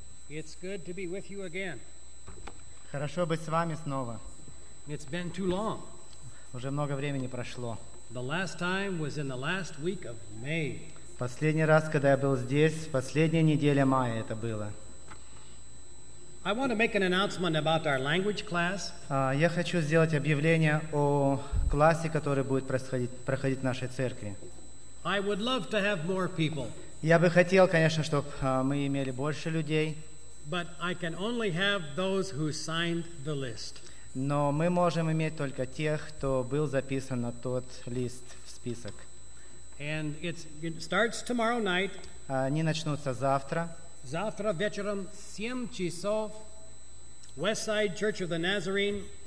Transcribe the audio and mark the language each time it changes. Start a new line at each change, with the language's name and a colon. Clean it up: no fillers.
English: It's good to be with you again.
Russian: Хорошо быть с вами снова.
English: It's been too long.
Russian: Уже много времени прошло.
English: The last time was in the last week of May.
Russian: Последний раз, когда я был здесь, последняя неделя мая это было.
English: I want to make an announcement about our language class.
Russian: Я хочу сделать объявление о классе, который будет проходить в нашей церкви.
English: I would love to have more people.
Russian: Я бы хотел, конечно, чтобы мы имели больше людей.
English: But I can only have those who signed the list.
Russian: Но мы можем иметь только тех, кто был записан на тот лист в список.
English: And it starts tomorrow night.
Russian: Они начнутся завтра. Завтра вечером 7 часов. Westside Church of the Nazarene.